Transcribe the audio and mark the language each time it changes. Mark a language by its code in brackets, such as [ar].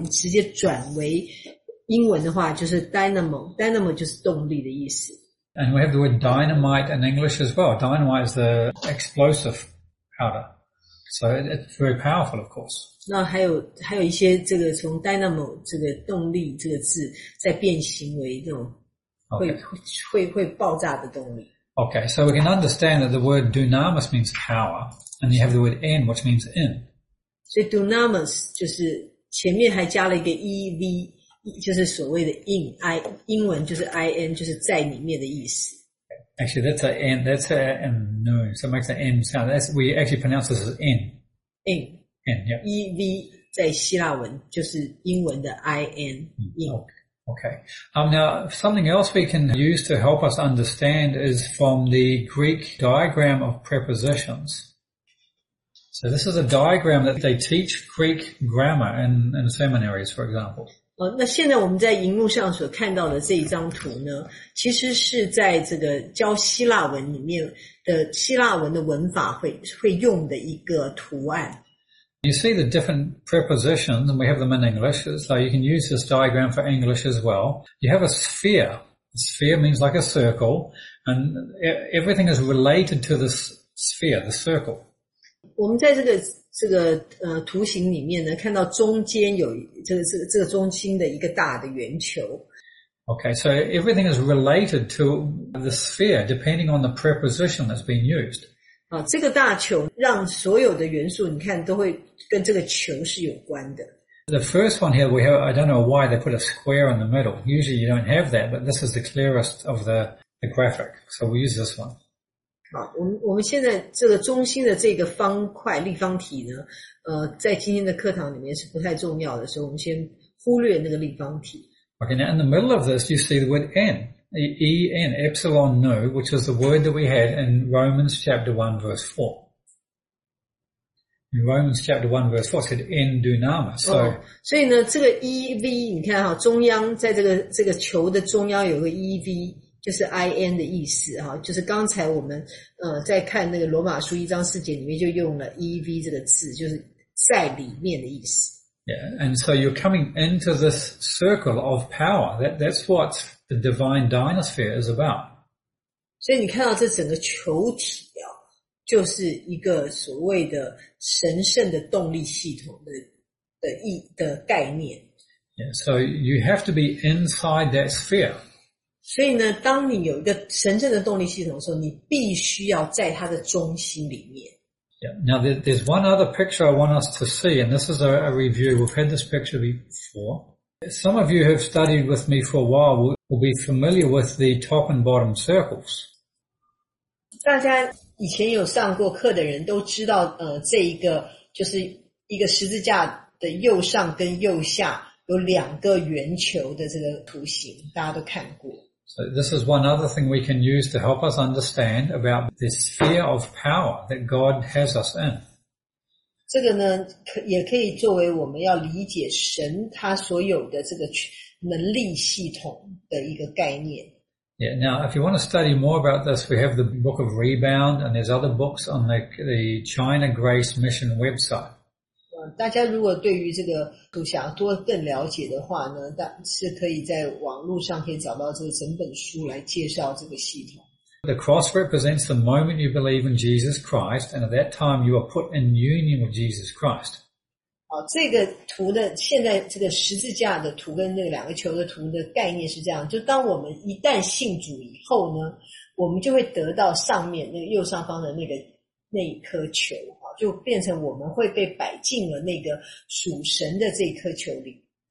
[zh] 那如果把这个希腊文直接转为英文的话，就是 dynamo. Dynamo 就是动力的意思。 [en] And we have the word dynamite in English as well. Dynamite is the explosive powder. So it's very powerful, of course. [zh] 那还有一些这个从 dynamo 这个动力这个字再变形为这种会爆炸的动力。Okay, [en] so we can understand that the word dunamis means power, and you have the word en, which means in. [zh] So dunamis 就是前面还加了一个 ev, 就是所谓的 in, I, 英文就是 in, 就是在里面的意思。 [en] Actually, that's a n, that's a n, no, so it makes an n sound. That's, we actually pronounce this as in. In. In, yeah. [zh] E-V 在希腊文就是英文的 in, in. [en] Okay. Now, something else we can use to help us understand is from the Greek diagram of prepositions. So this is a diagram that they teach Greek grammar in seminaries, for example. [zh] 那现在我们在荧幕上所看到的这一张图呢，其实是在这个教希腊文里面的希腊文的文法会用的一个图案。 [en] You see the different prepositions, and we have them in English, so you can use this diagram for English as well. You have a sphere. A sphere means like a circle, and everything is related to this sphere, the circle. [zh] 我们在这个图形里面呢，看到中间有这个中心的一个大的圆球。 [en] Okay, so everything is related to the sphere, depending on the preposition that's being used. [zh] 这个大球让所有的元素，你看都会跟这个球是有关的。 [en] The first one here, we have. I don't know why they put a square in the middle. Usually, you don't have that, but this is the clearest of the graphic. So we use this one. [zh] 好，我们现在这个中心的这个方块立方体呢，在今天的课堂里面是不太重要的，所以我们先忽略那个立方体。 [en] Okay, now in the middle of this, you see the word n, e n, epsilon nu, which is the word that we had in Romans chapter 1 verse 4. In Romans chapter 1 verse 4 said n dunamis. So,、 [zh] 所以呢，这个 e v, 你看哈，中央在这个球的中央有个 e v。就是 in 的意思啊，就是刚才我们在看那个罗马书一章四节里面就用了 ev 这个字，就是在里面的意思。 [en] Yeah, and so you're coming into this circle of power. That's what the divine dynasphere is about. [zh] 所以你看到这整个球体啊，就是一个所谓的神圣的动力系统的概念。 [en] Yeah, so you have to be inside that sphere. [zh] 所以呢，当你有一个神圣的动力系统的时候，你必须要在它的中心里面。 [en] Yeah. Now there's one other picture I want us to see, and this is a review. We've had this picture before. Some of you who have studied with me for a while will be familiar with the top and bottom circles. [zh] 大家以前有上过课的人都知道，这一个就是一个十字架的右上跟右下。有两个圆球的这个图形，大家都看过。 [en] So this is one other thing we can use to help us understand about the sphere of power that God has us in. [zh] 这个呢，也可以作为我们要理解神他所有的这个能力系统的一个概念。 [en] Yeah, now if you want to study more about this, we have the Book of Rebound and there's other books on the China Grace Mission website. [zh] 大家如果对于这个图想要多更了解的话呢，是可以在网络上可以找到这个整本书来介绍这个系统。 [en] The cross represents the moment you believe in Jesus Christ, and at that time you are put in union with Jesus Christ. [zh] 这个图的现在这个十字架的图跟那个两个球的图的概念是这样，就当我们一旦信主以后呢，我们就会得到上面那个右上方的那一颗球。就变成我们会被摆进了那个属神的这一颗球里。